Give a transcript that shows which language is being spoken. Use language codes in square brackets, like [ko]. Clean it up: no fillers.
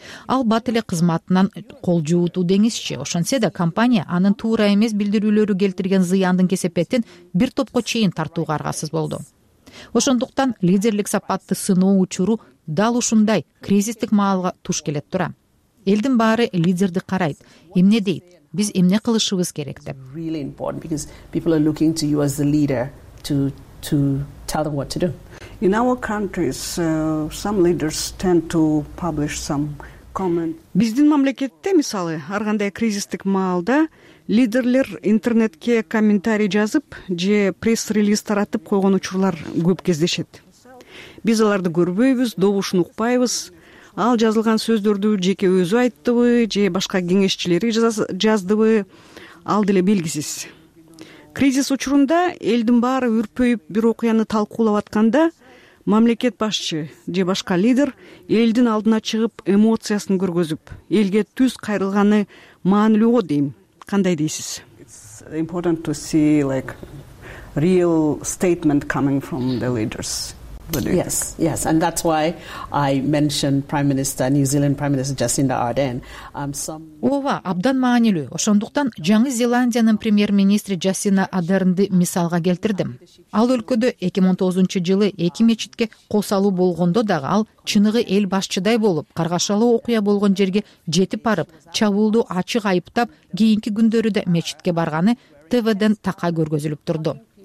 [ky] Ал бат эле кызматынан кол жууту деңизчи. Ошонсе да компания анын туура эмес билдирүүлөрү келтирген зыяндын кесепетин бир топко чейин тартууга аргасыз болду. Ошондуктан лидерлик сапатты сыноо учуру дал ушундай кризистик маалга туш келет тура. Элдин баары лидерди карайт. Эмне дейт? Биз эмне кылышыбыз керек деп. [en] Really important because people are looking to you as the leader to tell them what to do. In our countries, some leaders tend to publish some comment. [ky] Биздин мамлекетте, мисалы, ар кандай кризистик маалда лидерлер интернетке комментарий жазып же пресс-релиз таратып койгон учурлар көп кездешет. Биз аларды көрбөйбүз, добушун укпайбыз. Ал жазылган сөздөрдү жеке өзү айттыбы же башка кеңешчилери жаздыбы, ал деле белгисиз. Кризис учурунда элдин баары үрпөйүп бир окуяны талкуулап атканда мамлекет башчы же башка лидер элдин алдына чыгып эмоциясын көргөзүп, элге түз кайрылганы маанилүүго дейм. Кандай дейсиз? [en] It's important to see like real statement coming from the leaders. Yes, yes, and that's why I mentioned Prime Minister, New Zealand Prime Minister Jacinda Ardern. [ky] Ова, абдан маанилүү. Ошондуктан Жаңы Зеландиянын премьер-министри Жасина Адернди мисалга келтирдим. Ал өлкөдө 2019 жылы эки мечитке кол салуу болгондо дагы ал чыныгы эл башчыдай болуп, каргашалуу окуя болгон жерге жетип барып, чабуулду ачык айыптап, кийинки күндөрү да мечитке барганы ТВ-ден така көргөзүлүп турду.